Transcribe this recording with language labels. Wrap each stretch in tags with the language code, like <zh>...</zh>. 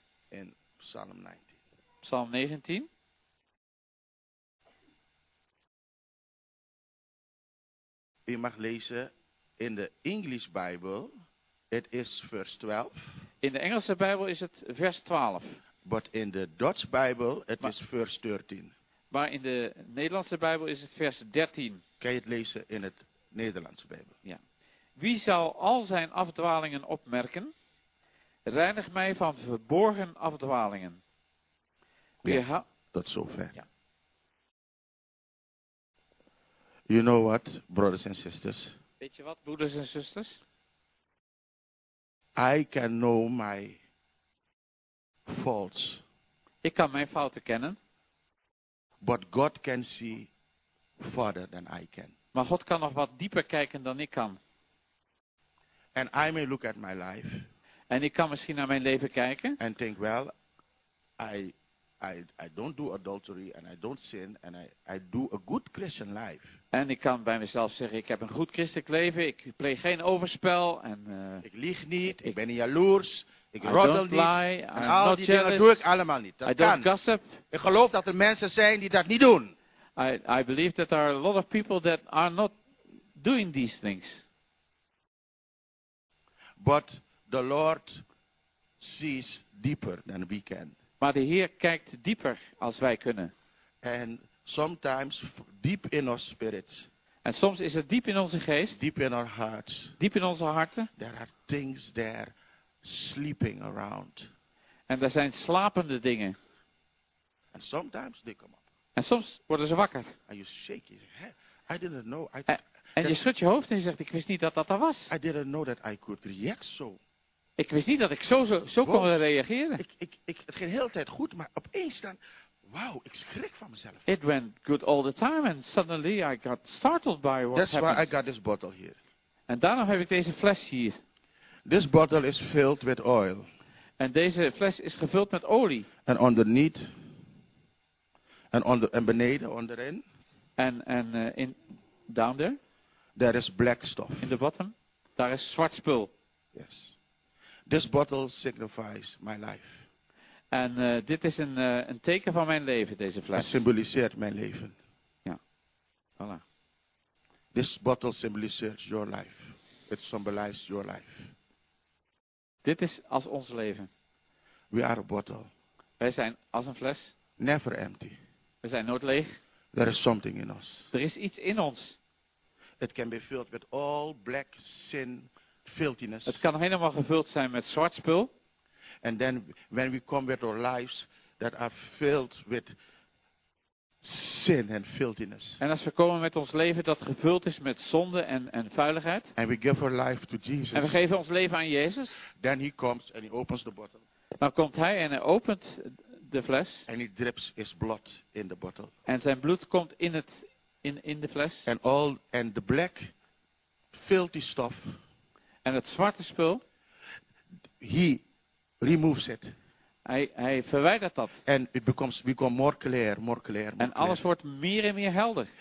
<en>In Psalm 19. Psalm 19.</en> <nl>U mag lezen in de English Bible.</nl> <en>It is verse 12.</en> <nl>In de Engelse Bijbel is het vers 12.</nl> <en>But in the Dutch Bible it is verse 13.</en> <nl>Maar in de Nederlandse Bijbel is het vers 13. Kan je het lezen in het Nederlandse Bijbel? Ja. Wie zal al zijn afdwalingen opmerken? Reinig mij van verborgen afdwalingen. Ja, tot zover. Ja.</nl> <en>You know what, brothers and sisters?</en> <nl>Weet je wat, broeders en zusters?</nl> <en>I can know my faults.</en> <nl>Ik kan mijn fouten kennen.</nl> <en>But God can see further than I can.</en> <nl>Maar God kan nog wat dieper kijken dan ik kan.</nl> <en>And I may look at my life.</en> <nl>En ik kan misschien naar mijn leven kijken.</nl> <en>And think, well, I don't do adultery and I don't sin and I do a good Christian life.</en> <nl>En ik kan bij mezelf zeggen, ik heb een goed christelijk leven, ik pleeg geen overspel. Ik lieg niet, ik ben niet jaloers, Ik roddel niet.</nl> <en>Lie,</en> <nl>en</nl> <en>I'm</en> <nl>al</nl> <en>not</en> <nl>die</nl> <en>jealous.</en> <nl>Dingen doe ik allemaal niet. Dat</nl> <en>I don't</en> <nl>kan.</nl> <en>Gossip.</en> <nl>Ik geloof dat er mensen zijn die dat niet doen.</nl> <en>I believe that there are a lot of people that are not doing these things. But the Lord sees deeper than we can.</en> <nl>Maar de Heer kijkt dieper als wij kunnen.</nl> <en>And sometimes deep in our spirits.</en> <nl>En soms is het diep in onze geest.</nl> <en>Deep in our hearts.</en> <nl>Diep in onze harten.</nl> <en>There are things there sleeping around.</en> <nl>En er zijn slapende dingen.</nl> <en>And sometimes they come up.</en> <nl>En soms worden ze wakker.</nl> <en>And you shake your head. I didn't know.</en> <nl>En je schudt je hoofd en je zegt, ik wist niet dat dat er was.</nl> <en>I didn't know that I could react so.</en> <nl>Ik wist niet dat ik zo kon reageren. Het ging de hele tijd goed, maar opeens dan, wauw, ik schrik van mezelf.</nl> <en>It went good all the time and suddenly I got startled by what happened. That's happens. Why I got this bottle here.</en> <nl>En daarom heb ik deze fles hier.</nl> <en>This bottle is filled with oil.</en> <nl>En deze fles is gevuld met olie.</nl> <en>And underneath.</en> <nl>En beneden, onderin.</nl> <en>En down there. There is black stuff. In the bottom.</en> <nl>Daar is zwart spul.</nl> <en>Yes. This bottle signifies my life.</en> <nl>En dit is een teken van mijn leven, deze fles. Het symboliseert mijn leven. Ja. Voilà.</nl> <en>This bottle symbolizes your life. It symbolizes your life.</en> <nl>Dit is als ons leven.</nl> <en>We are a bottle.</en> <nl>Wij zijn als een fles.</nl> <en>Never empty.</en> <nl>We zijn nooit leeg.</nl> <en>There is something in us.</en> <nl>Er is iets in ons.</nl> <en>It can be filled with all black sin, filthiness.</en> <nl>Het kan helemaal gevuld zijn met zwart spul.</nl> <en>And then when we come with our lives that are filled with sin and filthiness.</en> <nl>En als we komen met ons leven dat gevuld is met zonde en vuiligheid.</nl> <en>And we give our life to Jesus.</en> <nl>En we geven ons leven aan Jezus.</nl> <en>Then he comes and he opens the bottle.</en> <nl>Dan komt hij en hij opent de fles.</nl> <en>And he drips his blood in the bottle.</en> <nl>En zijn bloed komt in het in de fles.</nl> <en>And all and the black filthy stuff.</en> <nl>En het zwarte spul.</nl> <en>He removes it.</en> <nl>Hij verwijdert dat.</nl> <en>And it becomes more clear, more clear.</en> <nl>En alles wordt meer en meer helder.</nl>